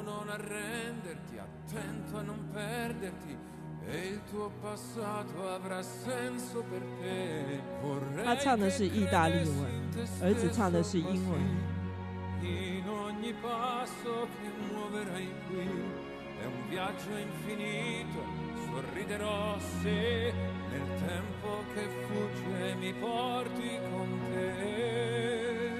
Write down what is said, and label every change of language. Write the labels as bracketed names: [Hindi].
[Italian] arrenderti, attento a non perderti, e il tuo passato avrà senso per te. [Chinese] 他唱的是意大利文，儿子唱的是英文。 [Italian] In ogni passo che muoverai qui è un viaggio infinito. Sorriderò se nel tempo che fugge mi porti con te.